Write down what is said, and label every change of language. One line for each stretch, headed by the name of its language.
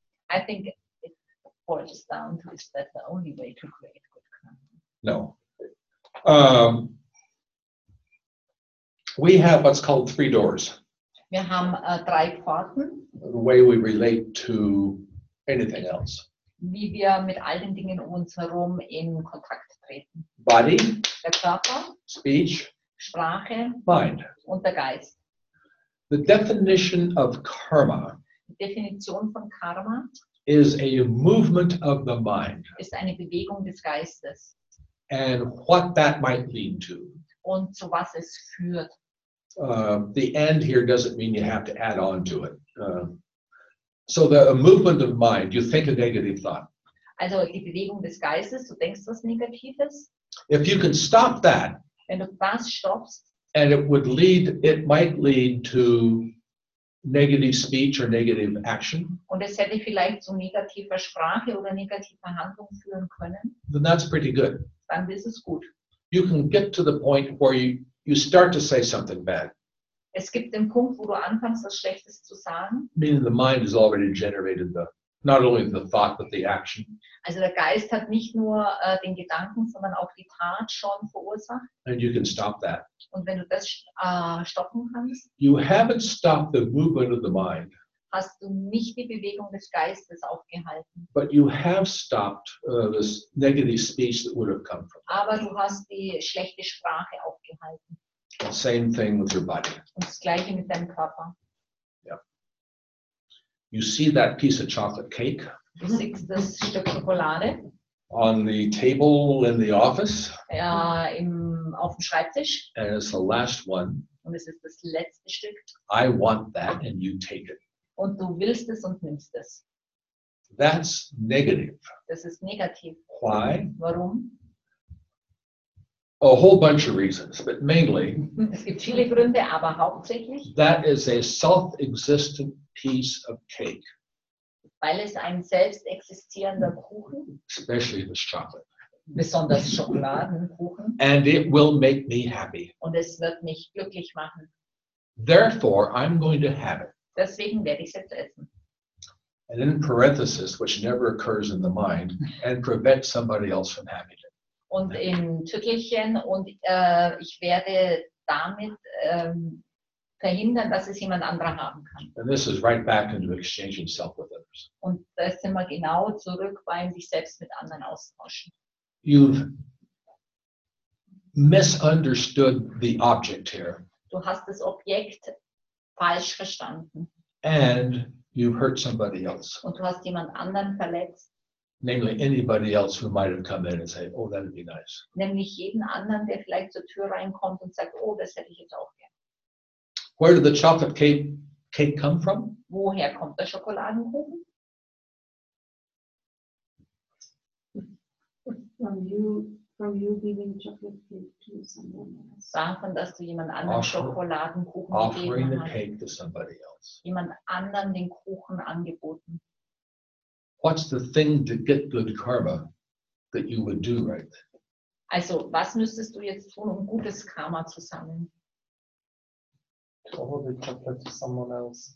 English: I think it boils down to is that the only way to create good karma? No. We have what's called three doors.
German: Wir haben drei Pforten.
English: The way we relate to anything else.
German: Wie wir mit all den Dingen um uns herum in Kontakt treten.
English: Body.
German: Der Körper.
English: Speech.
German: Sprache.
English: Mind.
German: Und der Geist.
English: The definition of karma.
German: Die Definition von Karma.
English: Is a movement of the mind.
German: Ist eine Bewegung des Geistes.
English: And what that might lead to.
German: Und zu was es führt.
English: The end here doesn't mean you have to add on to it. So the a movement of mind, you think a negative thought.
German: Also die Bewegung des Geistes, du denkst was Negatives.
English: If you can stop that,
German: wenn du das stoppst,
English: and it might lead to negative speech or negative action.
German: Und es hätte vielleicht zu negativer Sprache oder negativer Handlung führen können.
English: Then that's pretty good.
German: Dann ist es gut.
English: You can get to the point where you start to say something bad.
German: Es gibt den Punkt, wo du anfängst, was Schlechtes zu sagen.
English: Meaning the mind has already generated not only the thought, but the action.
German: Also der Geist hat nicht nur den Gedanken, sondern auch die Tat schon verursacht.
English: And you can stop that.
German: Und wenn du das stoppen kannst.
English: You haven't stopped the movement of the mind.
German: Hast du nicht die Bewegung des Geistes aufgehalten.
English: But you have stopped this negative speech that would have come from.
German: Aber du hast die schlechte Sprache aufgehalten.
English: The same thing with your body.
German: Und das gleiche mit deinem Körper.
English: Yeah. You see that piece of chocolate cake?
German: Du siehst das Stück Schokolade.
English: On the table in the office?
German: Ja, auf dem Schreibtisch.
English: And it's the last one.
German: Und es ist das letzte Stück.
English: I want that and you take it.
German: Und du willst es und nimmst es.
English: That's negative.
German: Das ist negativ.
English: Why?
German: Warum?
English: A whole bunch of reasons, but mainly.
German: Es gibt viele Gründe, aber hauptsächlich.
English: That is a self-existent piece of cake.
German: Weil es ein selbst existierender Kuchen.
English: Especially this chocolate.
German: Besonders Schokoladenkuchen.
English: And it will make me happy.
German: Und es wird mich glücklich machen.
English: Therefore, I'm going to have it.
German: Deswegen werde ich es essen.
English: And in parenthesis, which never occurs in the mind, and prevent somebody else from having it.
German: Und in Tüttelchen, und ich werde damit verhindern, dass es jemand anderer haben kann.
English: And this is right back into exchanging self with others.
German: Und da sind wir genau zurück beim sich selbst mit anderen austauschen.
English: You've misunderstood the object here.
German: Du hast das Objekt falsch verstanden.
English: And you hurt somebody else.
German: Und du hast jemand anderen verletzt.
English: Namely anybody else who might have come in and say, oh, that'd be nice.
German: Nämlich jeden anderen, der vielleicht zur Tür reinkommt und sagt, oh, das hätte ich jetzt auch gern.
English: Where did the chocolate cake come from?
German: Woher kommt der Schokoladenkuchen?
English: From you giving chocolate cake to someone else.
German: Davon, dass du jemand anderen Schokoladenkuchen gegeben hast.
English: Offering the cake to somebody else.
German: Jemand anderen den Kuchen angeboten.
English: What's the thing to get good karma that you would do right then?
German: Also, was müsstest du jetzt tun, um gutes Karma zu sammeln?
English: Offer the chocolate to someone else.